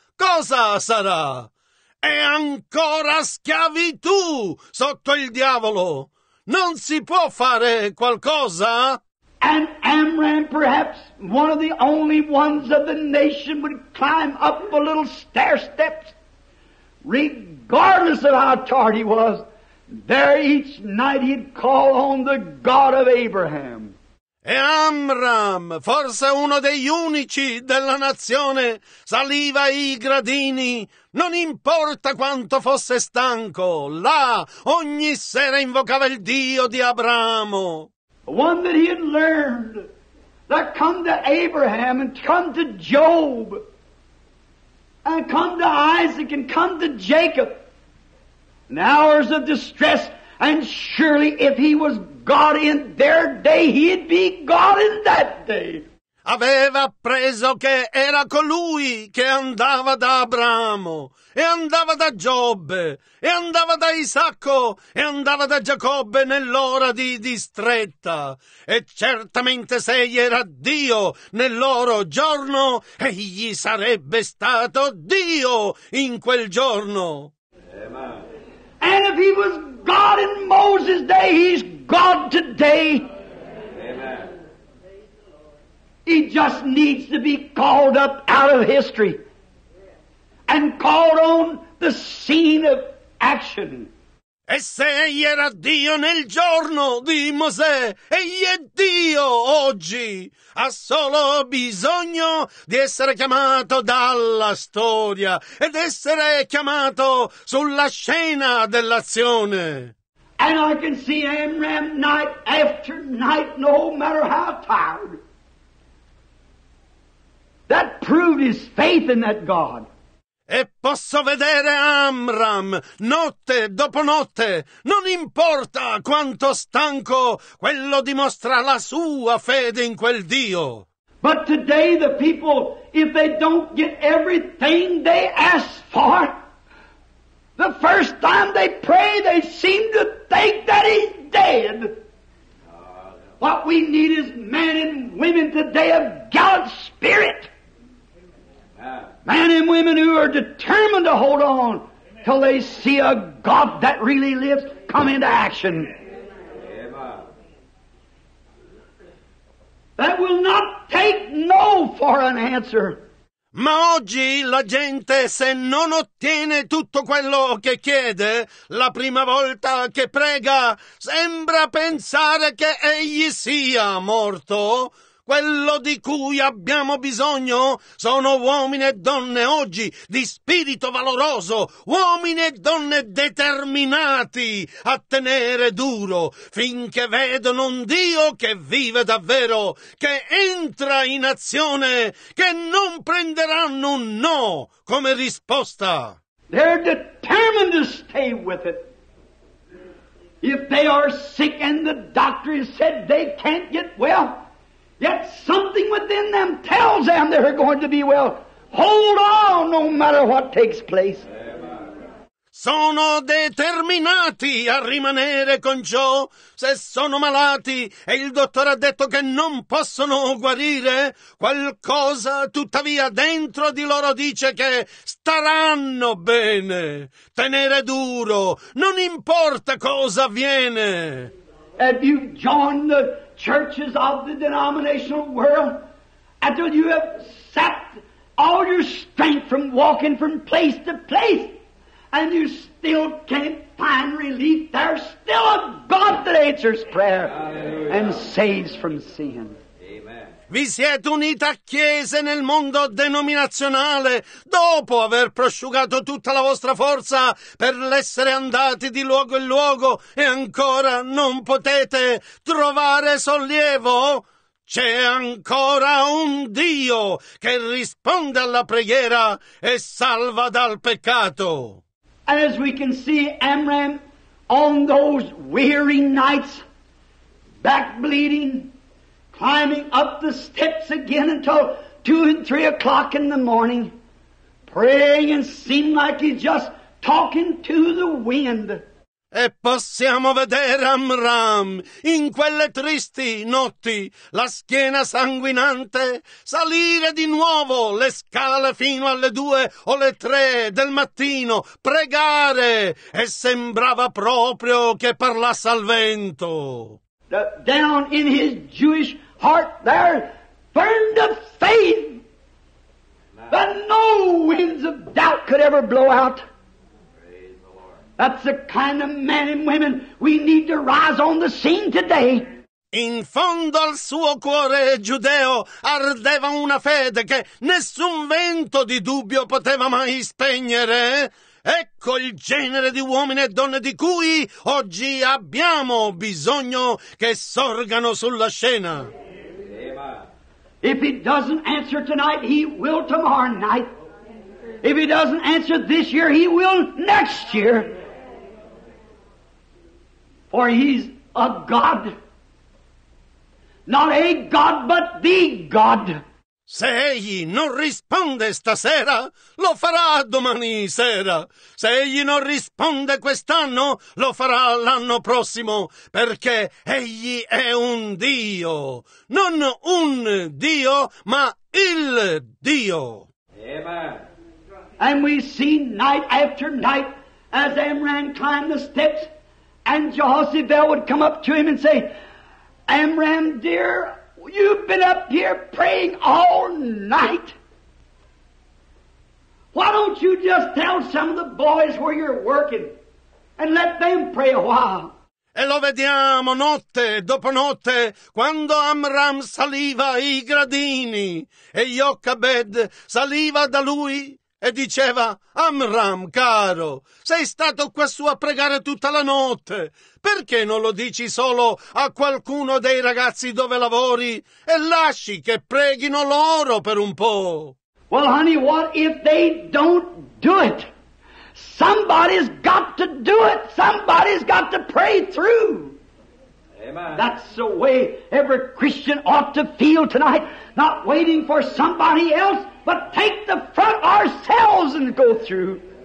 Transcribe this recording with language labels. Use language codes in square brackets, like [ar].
[it] Cosa sarà? È ancora schiavitù sotto il diavolo. Non si può fare qualcosa? [en] And Amram, perhaps one of the only ones of the nation, would climb up a little stair steps, regardless of how tardy he was, There each night he'd call on the God of Abraham. [it] E Amram, forse uno degli unici della nazione, saliva i gradini, non importa quanto fosse stanco, là ogni sera invocava il Dio di Abramo. [en] One that he had learned, that come to Abraham and come to Job, and come to Isaac and come to Jacob, in hours of distress, and surely if he was God in their day, he'd be God in that day. [it] Aveva appreso che era colui che andava da Abramo, e andava da Giobbe, e andava da Isacco, e andava da Giacobbe nell'ora di distretta. E certamente se egli era Dio nel loro giorno, egli sarebbe stato Dio in quel giorno. [en] And if he was God in Moses' day, he's God today. Amen. He just needs to be called up out of history and called on the scene of action. [it] E se egli era Dio nel giorno di Mosè, egli è Dio oggi. Ha solo bisogno di essere chiamato dalla storia ed essere chiamato sulla scena dell'azione. [en] And I can see Amram night after night, no matter how tired. That proved his faith in that God. [it] E posso vedere Amram, notte dopo notte, non importa quanto stanco, quello dimostra la sua fede in quel Dio. [en] But today the people, if they don't get everything they ask for, the first time they pray, they seem to think that he's dead. What we need is men and women today of God's Spirit. Men and women who are determined to hold on till they see a God that really lives come into action. That will not take no for an answer. [it] Ma oggi la gente, se non ottiene tutto quello che chiede, la prima volta che prega, sembra pensare che egli sia morto. Quello di cui abbiamo bisogno sono uomini e donne oggi, di spirito valoroso, uomini e donne determinati a tenere duro, finché vedono un Dio che vive davvero, che entra in azione, che non prenderanno un no come risposta. [en] They're determined to stay with it. If they are sick and the doctor has said they can't get well, yet something within them tells them they're going to be well. Hold on, no matter what takes place. [it] Sono determinati a rimanere con ciò. Se sono malati e il dottore ha detto che non possono guarire, qualcosa tuttavia dentro di loro dice che staranno bene. Tenere duro, non importa cosa avviene. [en] Have you joined the churches of the denominational world until you have sapped all your strength from walking from place to place and you still can't find relief? There's still a God that answers prayer. Hallelujah. And saves from sin. [it] Vi siete uniti a chiese nel mondo denominazionale dopo aver prosciugato tutta la vostra forza per essere andati di luogo in luogo e ancora non potete trovare sollievo? C'è ancora un Dio che risponde alla preghiera e salva dal peccato. [en] As we can see Amram on those weary nights, back bleeding, climbing up the steps again until 2 and 3 o'clock in the morning, praying and seem like he's just talking to the wind. [it] E possiamo vedere Amram in quelle tristi notti, la schiena sanguinante, salire di nuovo le scale fino alle 2 o le 3 del mattino, pregare, e sembrava proprio che parlasse al vento. [en] Down in his Jewish heart there burned a faith that no winds of doubt could ever blow out. Praise the Lord. That's the kind of men and women we need to rise on the scene today. [it] In fondo al suo cuore giudeo ardeva una fede che nessun vento di dubbio poteva mai spegnere. Ecco il genere di uomini e donne di cui oggi abbiamo bisogno che sorgano sulla scena. [en] If he doesn't answer tonight, he will tomorrow night. If he doesn't answer this year, he will next year. For he's a God. Not a God, but the God. [it] Se egli non risponde stasera, lo farà domani sera. Se egli non risponde quest'anno, lo farà l'anno prossimo, perché egli è un Dio. Non un Dio, ma il Dio. [en] Amen. And we see night after night, as Amram climbed the steps, and Jehoshaphat would come up to him and say, Amram, dear, you've been up here praying all night. Why don't you just tell some of the boys where you're working and let them pray a while? [it] E lo vediamo notte dopo notte quando Amram saliva i gradini e Jochebed saliva da lui e diceva, Amram, caro, sei stato quassù a pregare tutta la notte. Perché non lo dici solo a qualcuno dei ragazzi dove lavori e lasci che preghino loro per un po'? [en] Well, honey, what if they don't do it? Somebody's got to do it. Somebody's got to pray through. Amen. That's the way every Christian ought to feel tonight, not waiting for somebody else, but take the front ourselves and go through.